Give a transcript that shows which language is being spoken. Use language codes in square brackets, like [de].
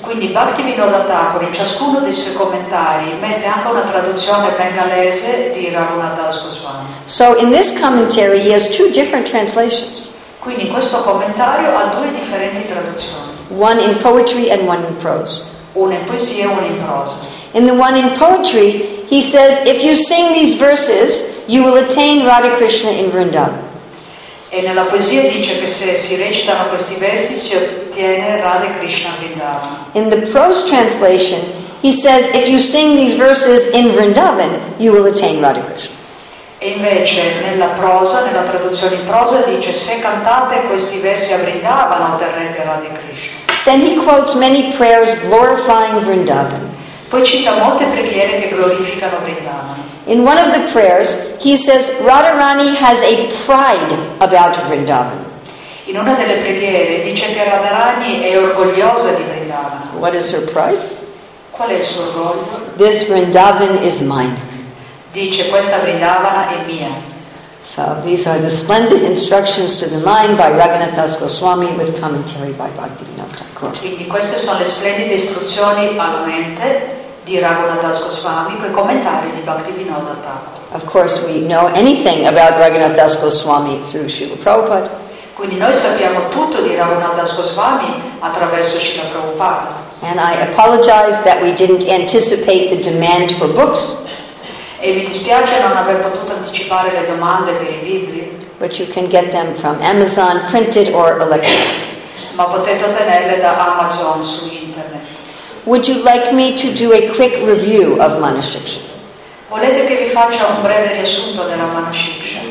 [it] Quindi Bhaktivinoda Thakur in ciascuno dei suoi commentari mette anche una traduzione bengalese di Raghunath Das Goswami. [en] So in this commentary he has two different translations. [it] Quindi questo commentario ha due differenti traduzioni. [en] One in poetry and one in prose. [it] Una in poesia e una in prosa. [en] In the one in poetry, he says, if you sing these verses, you will attain Radha Krishna in Vrindavan. [it] E nella poesia dice che se si recitano questi versi si ottiene Radha Krishna in Vrindavan. [en] In the prose translation, he says, if you sing these verses in Vrindavan, you will attain Radha Krishna. [it] E invece nella prosa, nella traduzione in prosa, dice se cantate questi versi a Vrindavan otterrete Radha Krishna. [en] Then he quotes many prayers glorifying Vrindavan. [it] Poi cita molte preghiere che glorificano Vrindavan. [en] In one of the prayers he says Radharani has a pride about Vrindavan. [it] In una delle preghiere dice che Radharani è orgogliosa di Vrindavan. [en] What is her pride? [it] Qual è il suo orgoglio? [en] This Vrindavan is mine. [it] Dice questa Vrindavana è mia. [en] So these are the splendid instructions to the mind by Raghunath Das Goswami with commentary by Bhaktivinoda Thakur. [it] Quindi queste sono le splendide istruzioni alla mente di Raghunath Das Goswami con i commentari di Bhaktivinoda Thakur. [en] Of course we know anything about Raghunath Das Goswami through Srila Prabhupada. [it] Quindi noi sappiamo tutto di Raghunath Das Goswami attraverso Srila Prabhupada. [en] And I apologize that we didn't anticipate the demand for books. [it] E mi dispiace non aver potuto anticipare le domande per i libri. [en] But you can get them from Amazon, printed or electronic. [it] Ma potete ottenerle da Amazon su internet. [en] Would you like me to do a quick review of Manashiksha? [it] Volete che vi faccia un breve riassunto della Manashiksha?